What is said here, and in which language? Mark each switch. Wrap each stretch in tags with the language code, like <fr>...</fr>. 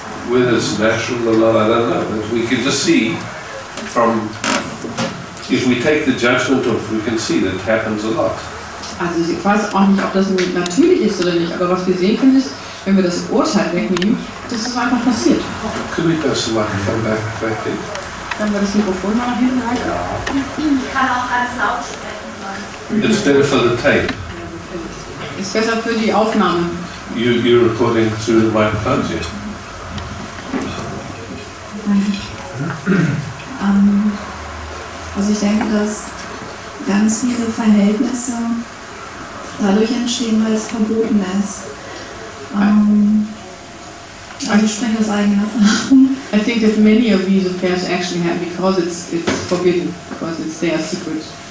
<en>Whether it's natural or not, I don't know. But we can just see from... If we take the judgment off, we can see that it happens a lot.</en> <de>Also ich weiß auch nicht, ob das natürlich ist oder nicht, aber was wir sehen können ist, wenn wir das Urteil wegnehmen, das ist einfach passiert. Können wir das machen, von back in? Können wir das Mikrofon mal hinreichen? Ja. Ich kann auch ganz laut sprechen.</de> <en>It's better for the tape.</en> <de>Ist besser für die Aufnahme.</de> <en>You're recording through the microphones, yeah?</en> <de>Also ich denke, dass ganz viele Verhältnisse dadurch entstehen, weil es verboten ist. Also ich spreche aus eigener Erfahrung.</de> <en>I think that many of these affairs actually happen because it's forbidden, because it's their secret.</en>